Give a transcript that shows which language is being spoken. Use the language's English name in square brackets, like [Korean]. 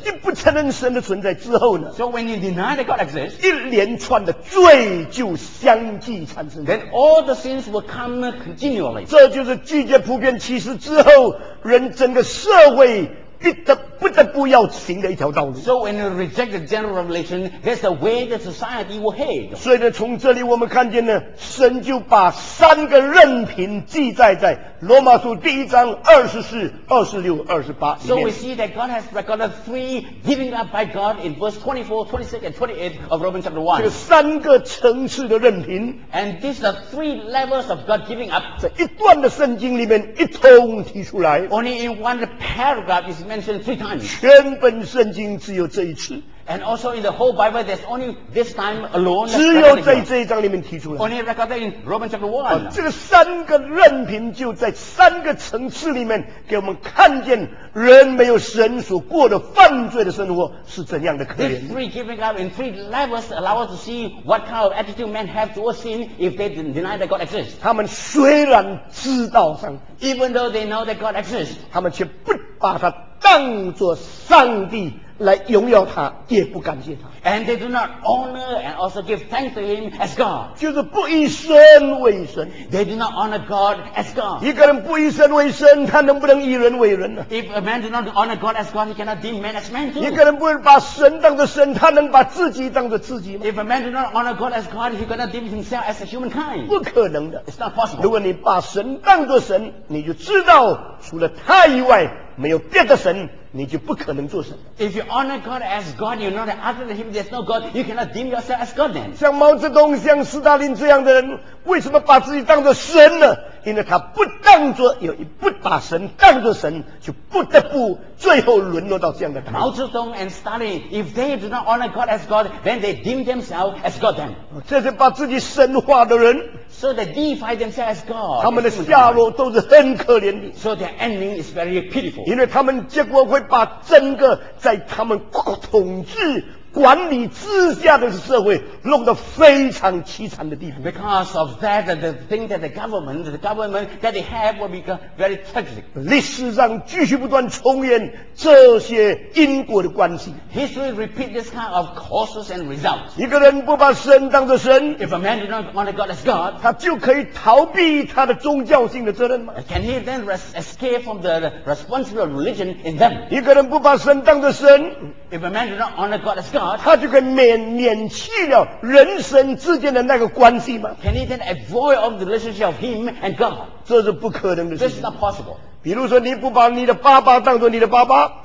[Chinese] 你不承认神的存在之后呢？ [English] So when you deny that God exists, [Chinese] 一连串的罪就相继产生。 [English] Then all the sins will come continually. [Chinese] 这就是拒绝普遍启示之后，人整个社会不得不要行的一条道路。 [English] So when you reject the general revelation, that's the way the society will head. [Chinese] 所以呢，从这里我们看见呢，神就把三个任凭记载在罗马书第一章二十四、二十六、二十八里面。 [English] So we see that God has recorded three giving up by God in verse 24, 26, and 28 of Romans chapter 1. [Chinese] 这个三个层次的任凭。 [English] And these are three levels of God giving up. [Chinese] 在一段的圣经里面一通提出来。 [English] Only in one paragraph is mentioned three times. [Chinese] 全本圣经只有这一次。 [English] And also in the whole Bible, there's only this time alone. [Chinese] 只有在这一章里面提出来。 [English] Only recorded in Romans chapter 1. [Chinese] 这个三个任凭就在三个层次里面给我们看见人没有神所过的犯罪的生活是怎样的可怜。 [English] These three giving up in three levels allow us to see what kind of attitude men have towards sin if they deny that God exists. [Chinese] 他们虽然知道上帝， [English] even though they know that God exists, [Chinese] 他们却不把他当作上帝来荣耀他，也不感谢他。 [English] And they do not honor and also give thanks to him as God. [Chinese] 就是不以神为神。 [English] They do not honor God as God. [Chinese] 一个人不以神为神，他能不能以人为人呢？ [English] If a man do not honor God as God, he cannot deem man as man too. [Chinese] 一个人不把神当作神，他能把自己当作自己吗？ [English] If a man do not honor God as God, he cannot deem himself as a humankind. [Chinese] 不可能的。 [English] It's not possible. [Chinese] 如果你把神当作神，你就知道除了他以外没有别的神，你就不可能做神。 [English] If you honor God as God, you know that other than Him there's no God. You cannot deem yourself as God then. [Chinese] 像毛泽东、像斯大林这样的人，为什么把自己当作神呢？因为他不当作，有不把神当作神，就不得不最后沦落到这样的。 [English] 毛泽东 and Stalin, if they do not honor God as God, then they deem themselves as God then. [Chinese] 这些把自己神化的人， [English] so they deify themselves as God. [Chinese] 他们的下落都是很可怜的。 [English] So their ending is very pitiful. [Chinese] 因为他们结果会把整个在他们统治管理之下的社会弄得非常凄惨的地步。 [English] Because of that, the thing that the government that they have will become very tragic. [Chinese] 历史上继续不断重演这些因果的关系。 [English] History repeat this kind of causes and results. [Chinese] 一个人不把神当作神， [English] if a man do not honor God as God, [Chinese] 他就可以逃避他的宗教性的责任吗？ [English] Can he then escape from the responsibility of religion in them? [Chinese] 一个人不把神当作神， [English] if a man do not honor God as God, [Chinese] 他就可以免去了人神之间的那个关系吗？ [English] Can he then avoid all the relationship of him and God? [Chinese] 这是不可能的事情。 [English] This is not possible. [Chinese] 比如说，你不把你的爸爸当作你的爸爸。